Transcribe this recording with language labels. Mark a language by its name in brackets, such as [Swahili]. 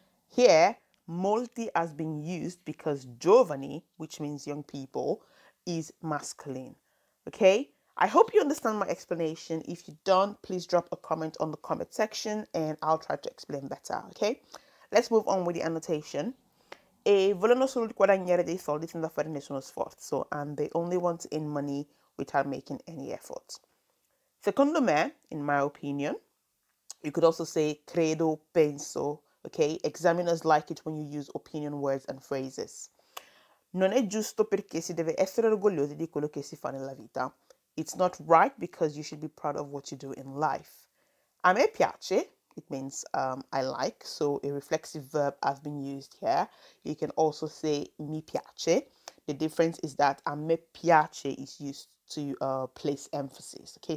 [English] Here, molti has been used because giovani, which means young people, is masculine. Okay? I hope you understand my explanation. If you don't, please drop a comment on the comment section and I'll try to explain better. Okay? Let's move on with the annotation. [Italian] E vogliono solo guadagnare dei soldi senza fare nessuno sforzo. [English] And they only want to earn money without making any effort. [Italian] Secondo me, [English] in my opinion, you could also say credo, penso, okay? Examiners like it when you use opinion words and phrases. [Italian] Non è giusto perché si deve essere orgogliosi di quello che si fa nella vita. [English] It's not right because you should be proud of what you do in life. [Italian] A me piace. [English] It means I like, so a reflexive verb has been used here. You can also say mi piace. The difference is that a me piace is used to place emphasis, okay?